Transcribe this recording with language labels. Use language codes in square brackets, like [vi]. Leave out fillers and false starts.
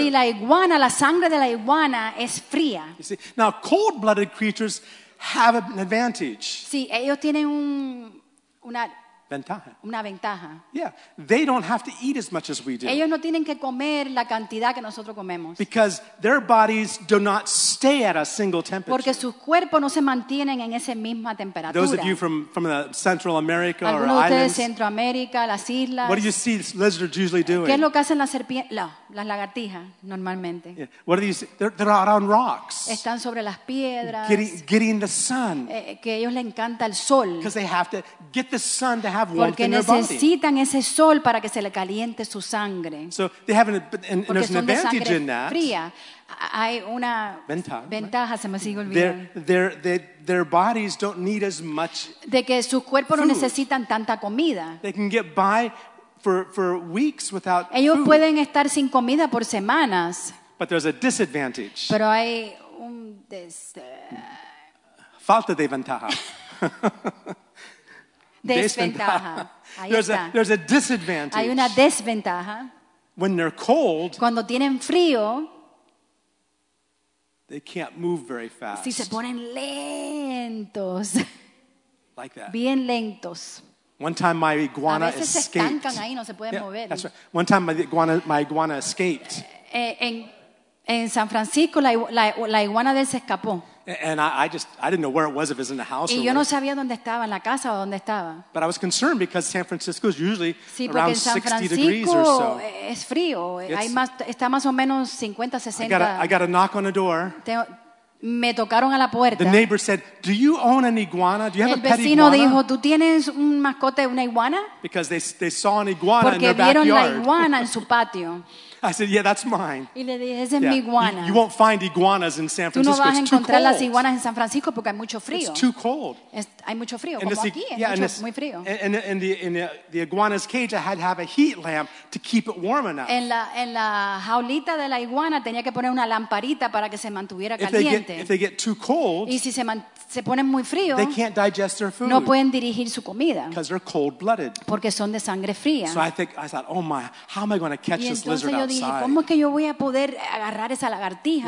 [es] Sí, la iguana, la sangre de la iguana es fría. [en] You see, now cold-blooded creatures have an advantage. [es] Sí, ellos tienen una ventaja. Una ventaja. [en] Yeah, they don't have to eat as much as we do. [es] Ellos no tienen que comer la cantidad que nosotros comemos. [en] Because their bodies do not stay at a single temperature. [es] Porque sus cuerpos no se mantienen en esa misma temperatura. [en] Those of you from the Central America or [es] algunos [en] islands. [es] Algunos de Centroamérica, las islas. [en] What do you see lizards usually doing? [es] ¿Qué es lo que hacen las serpientes? Las lagartijas, normalmente. [en] Yeah. What are these? They're out on rocks. [es] Están sobre las piedras. [en] Getting the sun. [es] Que ellos le encanta el sol. [en] Because they have to get the sun to have warmth in their body. [es] Porque necesitan ese sol para que se le caliente su sangre. [en] So they have an [es] porque [en] there's [es] son [en] an advantage [es] de sangre [en] in that. [es] Fría. Hay una ventaja, se me sigue olvidando. [en] Their bodies don't need as much. [es] De que sus cuerpos no necesitan tanta comida. [en] They can get by for weeks without food. [es] Ellos pueden estar sin comida por semanas. [en] But there's a disadvantage. [es] Pero hay un falta de ventaja. Desventaja. [en] There's a disadvantage. [es] Hay una desventaja. [en] When they're cold, [es] cuando tienen frío, [en] they can't move very fast. [es] Si se ponen lentos. [en] Like that. [es] Bien lentos. [en] One time my iguana escaped. [es] Ahí, no se pueden mover. [en] That's right. One time my iguana escaped. [es] En San Francisco la iguana de él se escapó. [en] And I didn't know where it was, if it was in the house [es] y [en] or [es] yo no sabía dónde estaba, en la casa o dónde estaba. [en] But I was concerned because San Francisco is usually [es] sí, [en] around 60 degrees or so. [es] Es frío. Está más o menos 50, 60. [en] I got a knock on the door. [es] Me tocaron a la puerta. [en] The neighbor said, "Do you own an iguana? Do you have a pet iguana?" [es] El vecino dijo, "¿Tú tienes un mascote, una iguana?" [en] Because they saw an iguana [es] porque [en] in their backyard. [es] Porque vieron la iguana en su patio. [en] I said, "Yeah, that's mine." [es] Y le dije, "Esa es mi iguana." [en] You won't find iguanas in San Francisco. [es] Tú no vas [en] it's [es] a encontrar las iguanas en San Francisco porque hay mucho frío. [en] It's too cold. [es] Hay mucho frío. And como aquí, yeah, es muy frío. [en] And the iguana's cage, I had to have a heat lamp to keep it warm enough. [es] En la jaulita de la iguana tenía que poner una lamparita para que se mantuviera caliente. [en] If they get too cold, [es] y si se ponen muy frío, [en] they can't digest their food. [es] No pueden digerir su comida. [en] Because they're cold-blooded. [es] Porque son de sangre fría. [en] So I thought, "Oh my, how am I going to catch this lizard outside?" [es] dije, ¿cómo es que yo voy a poder agarrar esa lagartija?